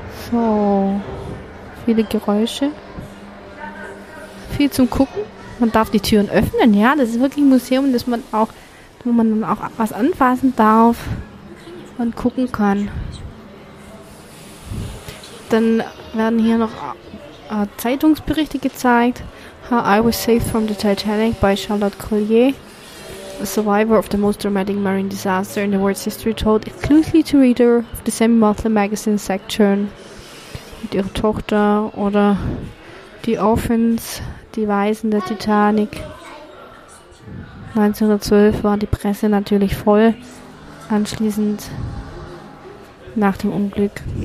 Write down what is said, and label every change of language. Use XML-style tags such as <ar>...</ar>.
<de>So, viele Geräusche. Viel zum Gucken. Man darf die Türen öffnen, ja. Das ist wirklich ein Museum, das man auch, wo man dann auch was anfassen darf und gucken kann. Dann werden hier noch Zeitungsberichte gezeigt.</de> <en>How I was saved from the Titanic by Charlotte Collier. A survivor of the most dramatic marine disaster in the world's history, told exclusively to reader of the semi-monthly magazine section.</en> <de>Mit ihrer Tochter oder die Orphans, die Waisen der Titanic. 1912 war die Presse natürlich voll. Anschließend nach dem Unglück.</de>